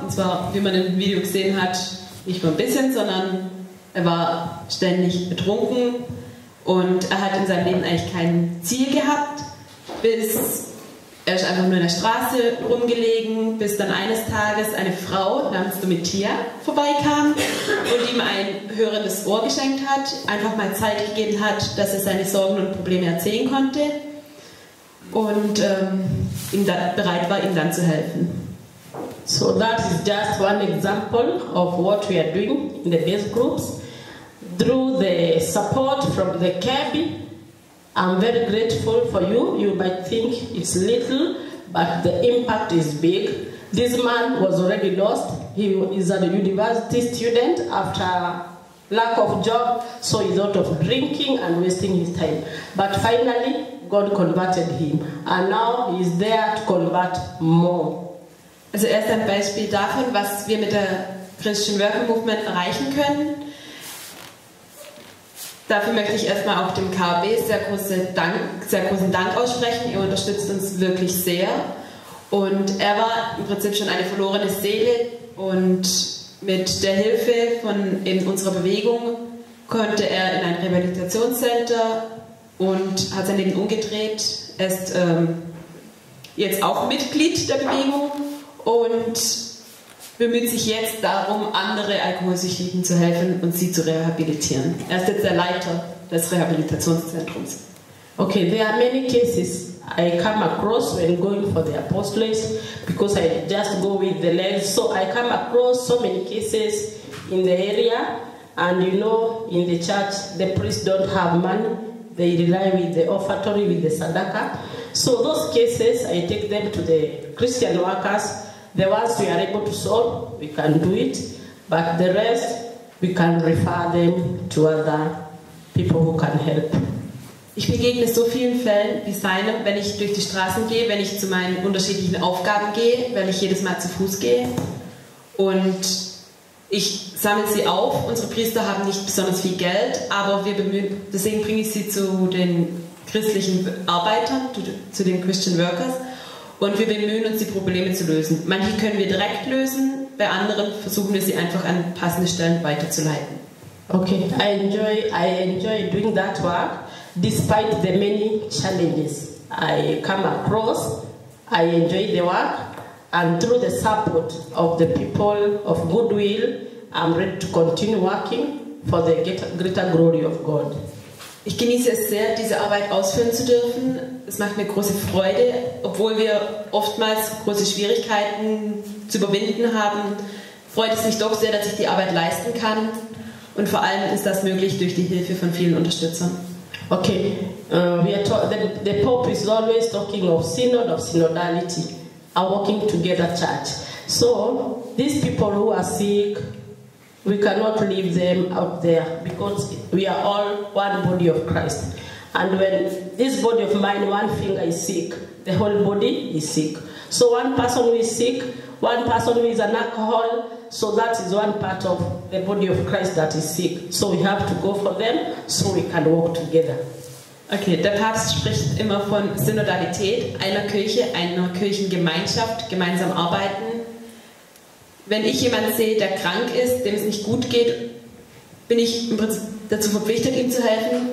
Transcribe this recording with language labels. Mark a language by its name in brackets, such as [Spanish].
[German] Und zwar, wie man im Video gesehen hat, nicht nur ein bisschen, sondern er war ständig betrunken und er hat in seinem Leben eigentlich kein Ziel gehabt, bis er ist einfach nur in der Straße rumgelegen, bis dann eines Tages eine Frau namens Domitia vorbeikam und ihm ein hörendes Ohr geschenkt hat, einfach mal Zeit gegeben hat, dass er seine Sorgen und Probleme erzählen konnte und ihm dann bereit war, ihm dann zu helfen. [English] So that is just one example of what we are doing in the base groups. Through the support from the KB, I'm very grateful for you. You might think it's little, but the impact is big. This man was already lost. He is a university student after lack of job, so he thought of drinking and wasting his time. But finally, God converted him, and now he is there to convert more. [German] Also er ist ein Beispiel davon, was wir mit der Christian Working Movement erreichen können. Dafür möchte ich erstmal auch dem KB sehr großen Dank aussprechen. Er unterstützt uns wirklich sehr. Und er war im Prinzip schon eine verlorene Seele. Und mit der Hilfe in unserer Bewegung konnte er in ein Rehabilitationscenter und hat sein Leben umgedreht. Er ist jetzt auch Mitglied der Bewegung und bemüht sich jetzt darum, andere Alkoholsüchtigen zu helfen und sie zu rehabilitieren. Er ist jetzt der Leiter des Rehabilitationszentrums. [English] Okay, there are many cases I come across when going for the apostolate, because I just go with the legs. So I come across so many cases in the area, and you know, in the church, the priests don't have money. They rely with the offertory, with the sadaka. So those cases, I take them to the Christian workers. The ones we are able to solve, we can do it. But the rest, we can refer them to other people who can help. [German] Ich begegne so vielen Fällen wie seinem, wenn ich durch die Straßen gehe, wenn ich zu meinen unterschiedlichen Aufgaben gehe, wenn ich jedes Mal zu Fuß gehe. Und ich sammle sie auf. Unsere Priester haben nicht besonders viel Geld, aber wir bemühen, deswegen bringe ich sie zu den christlichen Arbeitern, zu den Christian Workers. Und wir bemühen uns, die Probleme zu lösen. Manche können wir direkt lösen, bei anderen versuchen wir sie einfach an passende Stellen weiterzuleiten. [English] Okay, I enjoy doing that work, despite the many challenges I come across. I enjoy the work, and through the support of the people of goodwill, I'm ready to continue working for the greater glory of God. [German] Ich genieße es sehr, diese Arbeit ausführen zu dürfen. Es macht mir große Freude, obwohl wir oftmals große Schwierigkeiten zu überwinden haben. Freut es mich doch sehr, dass ich die Arbeit leisten kann. Und vor allem ist das möglich durch die Hilfe von vielen Unterstützern. [English] Okay, the Pope is always talking of Synod, of Synodality, a working together church. So, these people who are sick, we cannot leave them out there, because we are all one body of Christ. And when this body of mine, one finger is sick, the whole body is sick. So one person who is sick, one person who is an alcohol, so that is one part of the body of Christ that is sick. So we have to go for them, so we can walk together. [German] Okay, der Papst spricht immer von Synodalität, einer Kirche, einer Kirchengemeinschaft, gemeinsam arbeiten. Wenn ich jemanden sehe, der krank ist, dem es nicht gut geht, bin ich im Prinzip dazu verpflichtet, ihm zu helfen.